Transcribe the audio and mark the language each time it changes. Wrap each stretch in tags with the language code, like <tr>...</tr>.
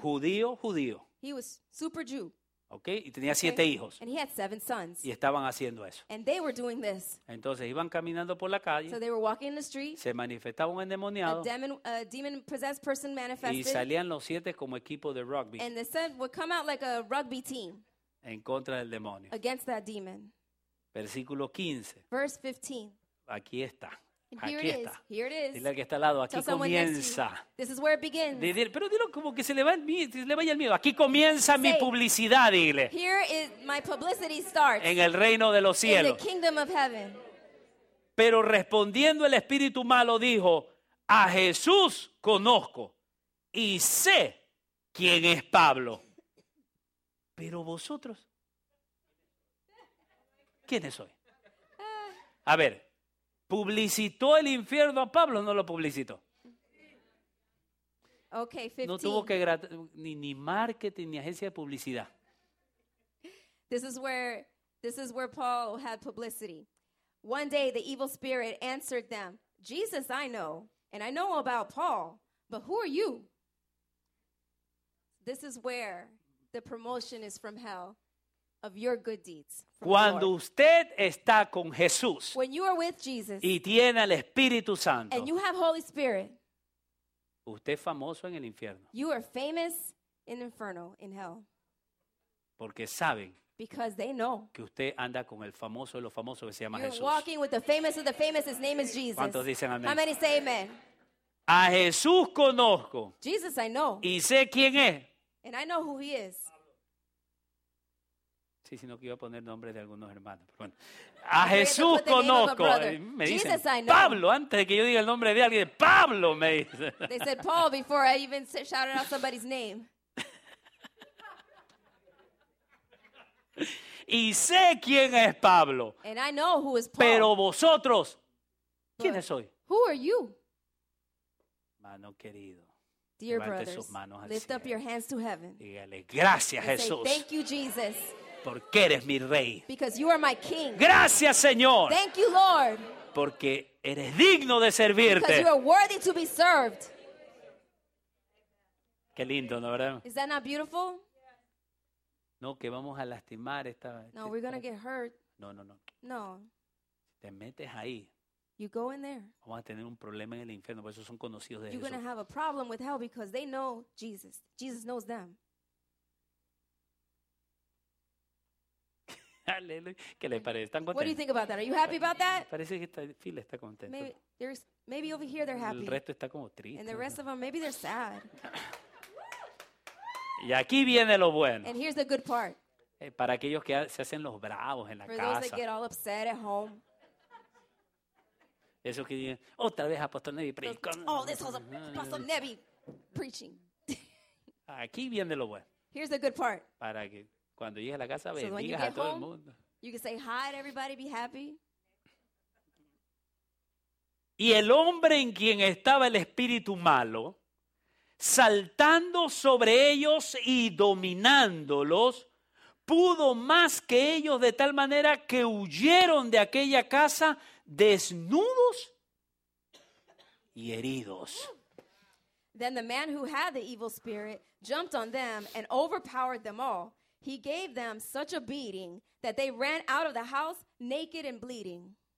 <es>Judío, judío.</es> <en>He was super Jew.</en> <es>Okay, y tenía siete hijos.</es> <en>And he had seven sons.</en> <es>Y estaban haciendo eso.</es> <en>And they were doing this.</en> <es>Entonces iban caminando por la calle.</es> <en>So they were walking in the street.</en> <es>Se manifestaba un endemoniado.</es> <en>A demon-possessed person manifested.</en> <es>Y salían los siete como equipo de rugby.</es> <en>And the seven would come out like a rugby team.</en> <es>En contra del demonio.</es> <en>Against that demon.</en> <es>Versículo 15.</es> <en>Verse 15.</en> <es>Aquí está.</es> <en>And</en> <es>aquí</es> <en>here it</en> <es>está.</es> <en>Is. Here it is.</en> <es>Dile al que está al lado. Aquí comienza.</es> <en>This is where it begins.</en> <es>Pero dilo como que se le vaya el miedo. Aquí comienza</es> <en>say,</en> <es>mi publicidad, dile.</es> <en>Here is my publicity starts.</en> <es>En el reino de los cielos.</es> <en>In the kingdom of heaven.</en> <es>Pero respondiendo el espíritu malo dijo, a Jesús conozco y sé quién es Pablo. Pero vosotros, ¿quiénes sois? A ver. ¿Publicitó el infierno a Pablo o no lo publicitó?</es> <en>Okay, 15.</en> <es>No tuvo que ni marketing ni agencia de publicidad.</es> <en>This is where Paul had publicity. One day the evil spirit answered them, Jesus I know, and I know about Paul, but who are you? This is where the promotion is from hell. Of your good deeds.</en> <es>Cuando usted está con Jesús.</es> <en>When you are with Jesus.</en> <es>Y tiene al Espíritu Santo.</es> <en>And you have Holy Spirit.</en> <es>Usted es famoso en el infierno.</es> <en>You are famous in inferno, in hell.</en> <es>Porque saben.</es> <en>Because they know.</en> <es>Que usted anda con el famoso de los famosos que se llama Jesús.</es> <en>You're walking with the famous of the famous. His name is Jesus.</en> <es>¿Cuántos dicen amén?</es> <en>How many say amen?</en> <es>A Jesús conozco.</es> <en>Jesus I know.</en> <es>Y sé quién es.</es> <en>And I know who he is.</en> <es>Sí, sino que iba a poner nombres de algunos hermanos. Pero bueno, a Jesús conozco. Me dicen,</es> <en>Jesus,</en> <es>Pablo, antes de que yo diga el nombre de alguien, Pablo me dice.</es> <en>They said Paul before I even shouted out somebody's name.</en> <es>Y sé quién es Pablo.</es> <en>And I know who is Paul.</en> <es>Pero vosotros, ¿quiénes soy?</es> <en>Who are you?</en> <es>Mano querido.</es> <en>Dear brothers, lift up your hands to heaven.</en> <es>Dígale, gracias, Jesús.</es> <en>Say, thank you, Jesus.</en> <es>Porque eres mi rey.</es> <en>Because you are my king.</en> <es>Gracias, Señor.</es> <en>Thank you, Lord.</en> <es>Porque eres digno de servirte.</es> <en>Because you are worthy to be served.</en> <es>Qué lindo, ¿no, verdad?</es> <en>Is that not beautiful?</en> <es>No, que vamos a lastimar esta.</es> <en>No, we're gonna get hurt.</en> <es>No, no, no.</es> <en>No.</en> <es>Te metes ahí.</es> <en>You go in there.</en> <es>Vamos a tener un problema en el infierno, por eso son conocidos de Jesús.</es> <en>You're gonna have a problem with hell because they know Jesus. Jesus knows them.</en> <es>¿Qué les parece? ¿Están contentos?</es> <en>What do you think about that? Are you happy about that?</en> <es>Parece que esta fila está contenta.</es> <en>Maybe over here they're happy.</en> <es>El resto está como triste.</es> <en>And the rest of them maybe they're sad.</en> <es>Y aquí viene lo bueno.</es> <en>And here's the good part.</en> <es>Para aquellos que se hacen los bravos en la</es> <en>for</en> <es>casa.</es> <en>For those that get all upset at home.</en> <es>Esos que dicen, otra vez Apóstol Nevi predicando.</es> <en>Oh, this was Apostle Nevi preaching.</en> <es>Aquí viene lo bueno.</es> <en>Here's the good part.</en> <es>Para que cuando llegues a la casa bendigas a todo el mundo.</es> <en>You can say hi to everybody, be happy.</en> <es>Y el hombre en quien estaba el espíritu malo, saltando sobre ellos y dominándolos, pudo más que ellos de tal manera que huyeron de aquella casa desnudos y heridos.</es> <en>Then the man who had the evil spirit jumped on them and overpowered them all. He gave them such a beating that they ran out of the house naked and bleeding.</en>